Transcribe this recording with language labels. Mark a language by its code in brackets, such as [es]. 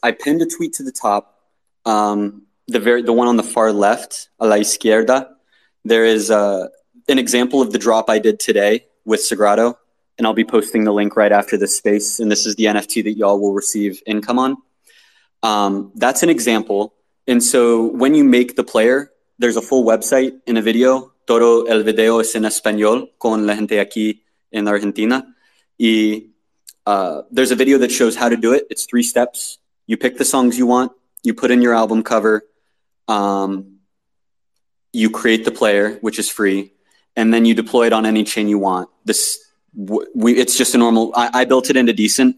[en] I pinned a tweet to the top. The one on the far left, [es] a la izquierda, [en] there is an example of the drop I did today with Sagrado, and I'll be posting the link right after this space, and this is the NFT that y'all will receive income on. That's an example. And so when you make the player, there's a full website and a video. [es] Todo el video es en español con la gente aquí en Argentina. [en] Y there's a video that shows how to do it. It's three steps. You pick the songs you want. You put in your album cover. You create the player, which is free. And then you deploy it on any chain you want. It's just a normal, I built it into Decent.